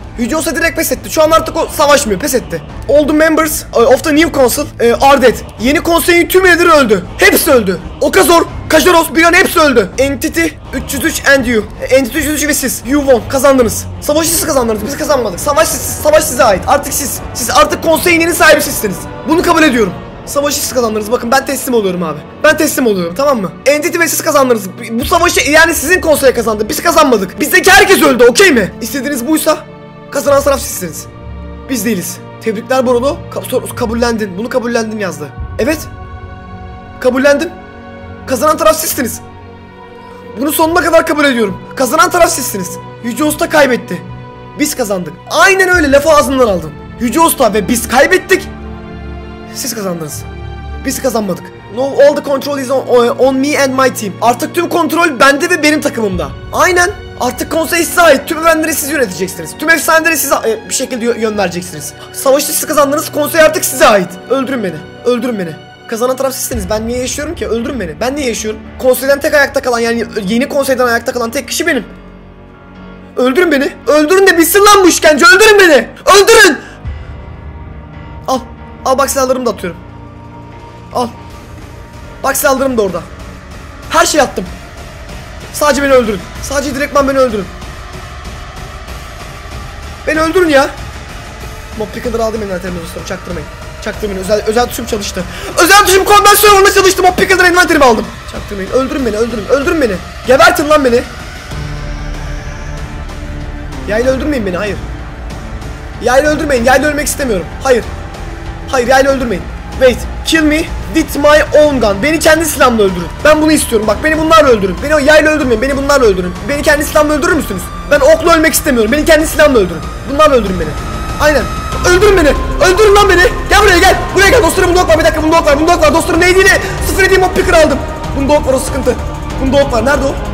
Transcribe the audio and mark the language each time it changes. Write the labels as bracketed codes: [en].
[tr] Yücios da direkt pes etti. Şu an artık o savaşmıyor. Pes etti. [en] All the members of the new council are dead. [tr] Yeni konseyin tüm üyeleri öldü. Hepsi öldü. Okuzlar, Kajaros, Brienne hepsi öldü. [en] Entity 303 and you. [tr] Entity 303 ve siz. [en] You won. [tr] Kazandınız. Savaşı siz kazandınız. Biz kazanmadık. Savaş siz. Savaş size ait. Artık siz. Siz artık konseyin yeni sahibi sizsiniz. Bunu kabul ediyorum. Savaşı siz kazandınız. Bakın ben teslim oluyorum abi. Ben teslim oluyorum, tamam mı? Entity ve siz kazandınız. Bu savaşı yani sizin konseye kazandı. Biz kazanmadık. Bizdeki herkes öldü, okey mi? İstediğiniz buysa kazanan taraf sizsiniz. Biz değiliz. Tebrikler Barolo. Kabullendin. Bunu kabullendin yazdı. Evet. Kabullendim. Kazanan taraf sizsiniz. Bunu sonuna kadar kabul ediyorum. Kazanan taraf sizsiniz. Yüce Usta kaybetti. Biz kazandık. Aynen öyle lafı ağzından aldın. Yüce Usta ve biz kaybettik. Siz kazandınız. Biz kazanmadık. [en] No, all the control is on me and my team. [tr] Artık tüm kontrol bende ve benim takımımda. Aynen. Artık konsey size ait. Tüm evrenleri siz yöneteceksiniz. Tüm efsaneleri size bir şekilde yön vereceksiniz. Savaşı siz kazandınız. Konsey artık size ait. Öldürün beni. Öldürün beni. Kazanan taraf sizsiniz. Ben niye yaşıyorum ki? Öldürün beni. Ben niye yaşıyorum? Konseyden tek ayakta kalan, yani yeni konseyden ayakta kalan tek kişi benim. Öldürün beni. Öldürün de bitsin lan bu işkence. Öldürün beni. Öldürün. Al. Al bak, silahlarımı da atıyorum. Al. Bak, silahlarım da orada. Her şeyi attım. Sadece beni öldürün. Sadece direktman beni öldürün. Beni öldürün ya. Mob Picker'ı aldım envanterimi dostum. Çaktırmayın. Çaktırmayın. Özel tuşum çalıştı. Özel tuşum konvansiyon vurmaya çalıştı. Mob Picker'ı envanterimi aldım. Çaktırmayın. Öldürün beni. Öldürün. Öldürün beni. Gebertin lan beni. Yayla öldürmeyin beni. Hayır. Yayla öldürmeyin. Yayla ölmek istemiyorum. Hayır. Hayır, yayla öldürmeyin. [en] Wait, kill me with my own gun. [tr] Beni kendi silahımla öldürün. Ben bunu istiyorum. Bak, beni bunlarla öldürün. Beni yayla öldürmeyin. Beni bunlarla öldürün. Beni kendi silahımla öldürür müsünüz? Ben okla ölmek istemiyorum. Beni kendi silahımla öldürün. Bunlarla öldürün beni. Aynen. Öldürün beni. Öldürün lan beni. Gel buraya, gel. Buraya gel. Dostlarım, bunda ok var. Bir dakika, bunda ok var. Bunda ok var. Dostlarım, neydi yine? Sıfır edeyim, ok picker aldım. Bunda ok var, o sıkıntı. Bunda ok var. Nerede o?